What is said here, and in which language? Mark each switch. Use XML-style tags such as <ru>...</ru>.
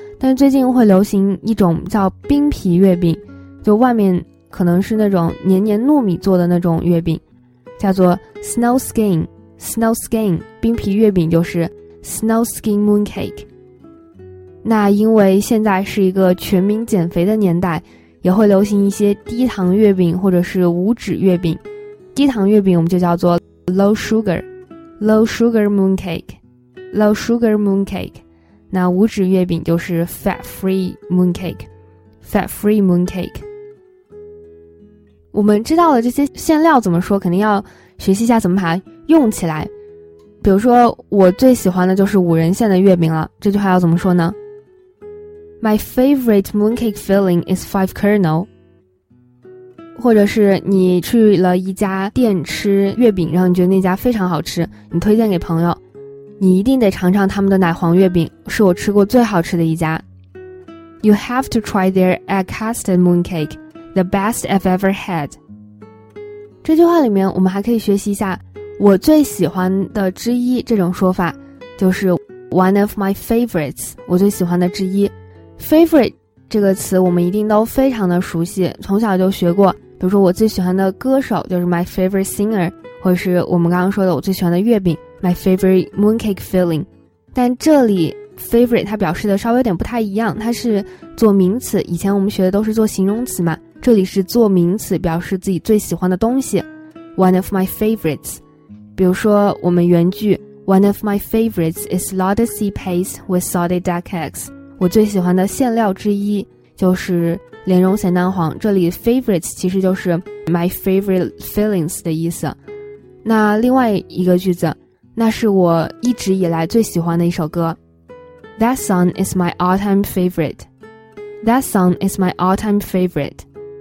<zh>但是最近会流行一种叫冰皮月饼，就外面可能是那种黏黏糯米做的那种月饼，叫做 snow skin, snow skin, 冰皮月饼就是 snow skin mooncake。那因为现在是一个全民减肥的年代，也会流行一些低糖月饼或者是无脂月饼。低糖月饼我们就叫做</zh> <en>low sugar, low sugar mooncake,</en> <zh>low sugar mooncake, 那无脂月饼就是</zh> <en>fat free mooncake, fat free mooncake。</en> <zh>我们知道了这些馅料怎么说，肯定要学习一下怎么把它用起来。比如说我最喜欢的就是五仁馅的月饼了，这句话要怎么说呢？</zh> <en>My favorite mooncake filling is five kernel.</en> <zh>或者是你去了一家店吃月饼，然后你觉得那家非常好吃，你推荐给朋友，你一定得尝尝他们的奶黄月饼，是我吃过最好吃的一家。</zh> <en>You have to try their egg custard mooncake, the best I've ever had.</en> <zh>这句话里面我们还可以学习一下我最喜欢的之一这种说法，就是</zh> <en>one of my favorites,</en> <zh>我最喜欢的之一。 Favorite 这个词我们一定都非常的熟悉，从小就学过，比如说我最喜欢的歌手就是</zh> <en>my favorite singer,</en> <zh>或者是我们刚刚说的我最喜欢的月饼</zh> <en>my favorite mooncake filling。</en> <zh>但这里 favorite 它表示的稍微有点不太一样，它是做名词，以前我们学的都是做形容词嘛，这里是做名词表示自己最喜欢的东西</zh> <en>one of my favorites。</en> <zh>比如说我们原句</zh> <en>one of my favorites is lotta sea paste with salted duck eggs,</en> <zh>我最喜欢的馅料之一就是莲蓉咸蛋黄，这里 favorites 其实就是</zh> <en>my favorite fillings</en> <zh>的意思。那另外一个句子，那是我一直以来最喜欢的一首歌</zh> <en>That song is my all time favorite, That song is my all time favorite,</en>